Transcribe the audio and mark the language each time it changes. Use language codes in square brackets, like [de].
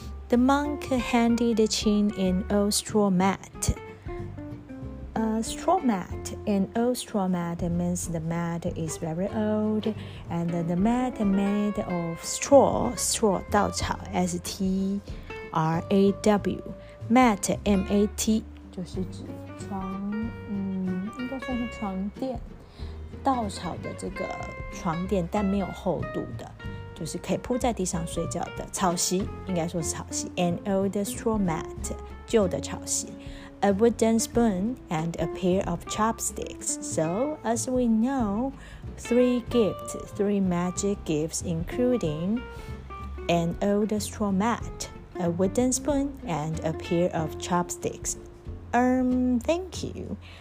[en] The monk handed Qin an old straw mat. Straw mat. An old straw mat means the mat is very old, and the mat made of straw, straw, 稻草, S-T-R-A-W. [zh] Mat, M-A-T, 就是指床，应该算是床垫，稻草的这个床垫，但没有厚度的，就是可以铺在地上睡觉的草席，应该说是草席。 [en] An old straw mat, [zh] 旧的草席。 [en] A wooden spoon and a pair of chopsticks. So, as we know, three gifts, three magic gifts, including an old straw mat, a wooden spoon, and a pair of chopsticks. Thank you.